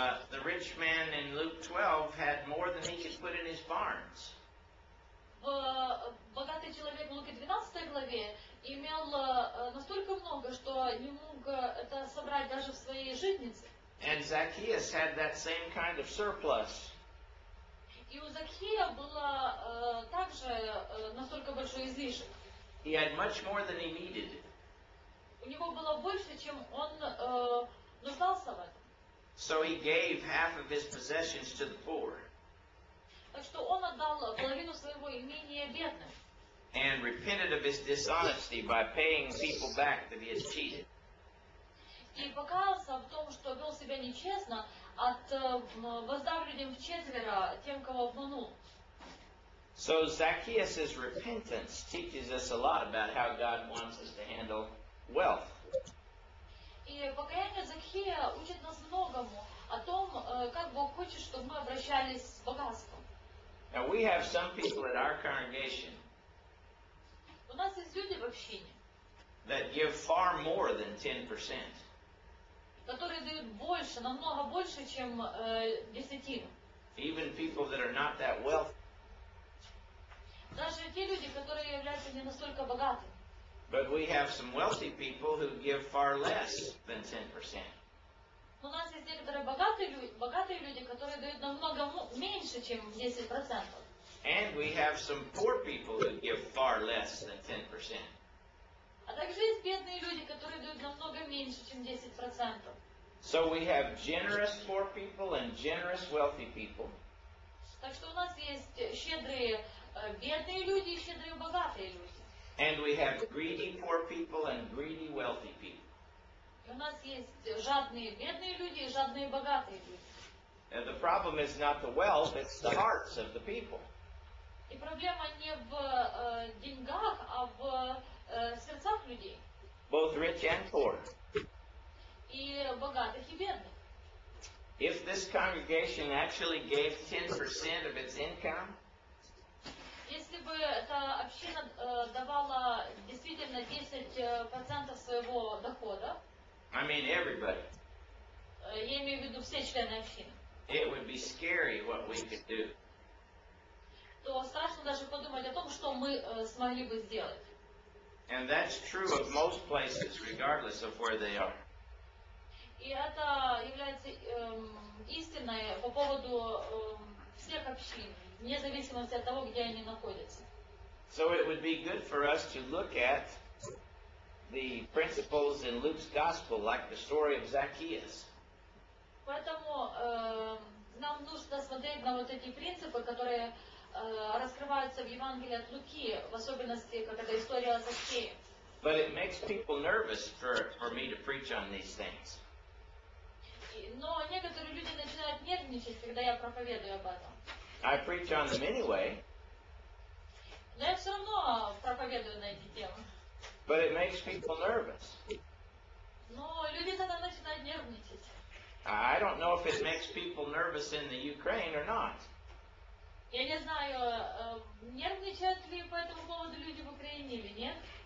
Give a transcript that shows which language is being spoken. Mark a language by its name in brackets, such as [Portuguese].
[English] The rich man in Luke 12 had more than he could put in his barns. [Russian] Богатый человек в Луки 12 главе имел настолько много, что не мог это собрать даже в своей житнице. [English] And Zacchaeus had that same kind of surplus. [Russian] И у Закхея было также настолько большой излишек. [English] He had much more than he needed. [Russian] У него было больше, чем он нуждался в этом. [English] So he gave half of his possessions to the poor. [Russian] Так что он отдал половину своего имения бедным. [English] And repented of his dishonesty by paying people back that he had cheated. [Russian] и покаялся в том, что вел себя нечестно, от воздав людям вчетверо тем, кого обманул. [English] So Zacchaeus' repentance teaches us a lot about how God wants us to handle wealth. [Russian] И покаяние Закхея учит нас многому о том, как Бог хочет, чтобы мы обращались с богатством. [English] Now we have some people in our congregation. [Russian] У нас есть люди в общине. [English] That give far more than 10%. [Russian] Которые дают больше, намного больше, чем десятину. [English] Even people that are not that wealthy. [Russian] Даже те люди, которые являются не настолько богатыми. [English] But we have some wealthy people who give far less than 10%. [Russian] У нас есть некоторые богатые люди, которые дают намного меньше, чем 10%. [English] And we have some poor people who give far less than 10%. [Russian] А также есть бедные люди, которые дают намного меньше, чем 10%. [English] So we have generous poor people and generous wealthy people. [Russian] Так что у нас есть щедрые бедные люди и щедрые богатые люди. [English] And we have greedy poor people and greedy wealthy people. [Russian] И у нас есть жадные бедные люди и жадные богатые люди. [English] And the problem is not the wealth, it's the hearts of the people. [Russian] И проблема не в деньгах, а в сердцах людей. [English] Both rich and poor. [Russian] И богатых, и бедных. [English] If this congregation actually gave 10% of its income, [Russian] если бы эта община давала действительно 10% своего дохода, [English] I mean everybody, [Russian] я имею в виду все члены общины, [English] it would be scary what we could do. [Russian] То страшно даже подумать о том, что мы смогли бы сделать. [English] And that's true of most places, regardless of where they are. [Russian] И это является истиной по поводу всех общин, вне зависимости от того, где они находятся. [English] So it would be good for us to look at the principles in Luke's gospel, like the story of Zacchaeus. [Russian] Поэтому нам нужно смотреть на вот эти принципы, которые раскрываются в Евангелии от Луки, в особенности, как эта история о Закхее. [English] But it makes people nervous for me to preach on these things. [Russian] Но некоторые люди начинают нервничать, когда я проповедую об этом. [English] I preach on them anyway. [Russian] Но я все равно проповедую на эти темы. [English] But it makes people nervous. [Russian] Но люди тогда начинают нервничать. [English] I don't know if it makes people nervous in the Ukraine or not. [Russian] Я не знаю, нервничают ли по этому поводу люди в Украине или нет.